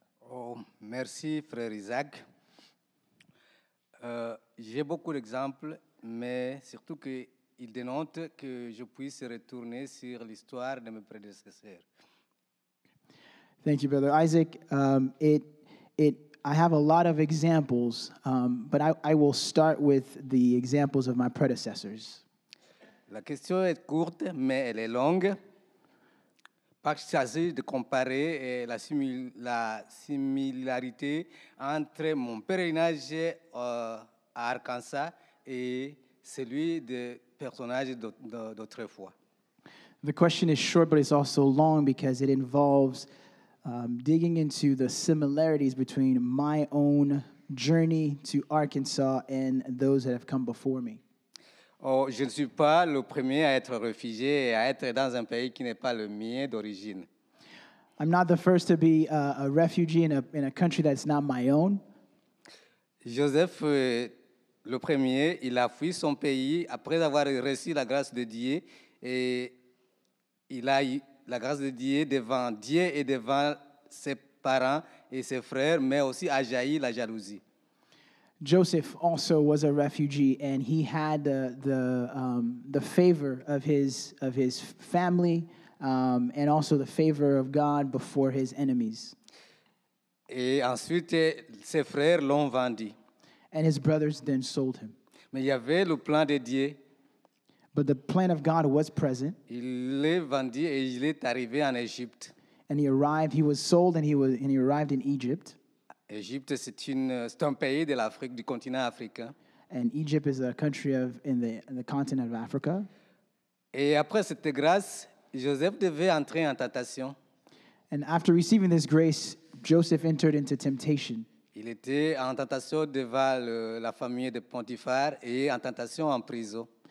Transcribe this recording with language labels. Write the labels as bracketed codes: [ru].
[fr] Oh, merci, frère Isaac. J'ai beaucoup d'exemples, mais surtout que il dénote que je puisse retourner sur l'histoire de mes prédécesseurs. [en] Thank you, Brother Isaac. I have a lot of examples, but I will start with the examples of my predecessors. [fr] La question est courte, mais elle est longue. Parce qu'il s'agit de comparer la similarité entre mon pèlerinage à Arkansas et celui de [en] The question is short, but it's also long because it involves digging into the similarities between my own journey to Arkansas and those that have come before me. [fr] Oh, je ne suis pas le premier à être réfugié et à être dans un pays qui n'est pas le mien d'origine. [en] I'm not the first to be a refugee in a country that's not my own. [fr] Joseph, le premier, il a fui son pays après avoir reçu la grâce de Dieu et il a eu la grâce de Dieu devant Dieu et devant ses parents et ses frères, mais aussi a jailli la jalousie. [en] Joseph also was a refugee, and he had the favor of his family, and also the favor of God before his enemies. [fr] Et ensuite, ses frères l'ont vendu. [en] And his brothers then sold him. [fr] Mais il y avait le plan de Dieu. [en] But the plan of God was present. [fr] Il est vendu et il est arrivé en Égypte. [en] And he arrived. He was sold, and he arrived in Egypt. [fr] Égypte, c'est un pays de l'Afrique, du continent africain. [en] And Egypt is a country of in the continent of Africa. [fr] Et après cette grâce, Joseph devait entrer en tentation. [en] And after receiving this grace, Joseph entered into temptation. [fr] Il était en tentation devant la famille de Potiphar et en tentation en prison.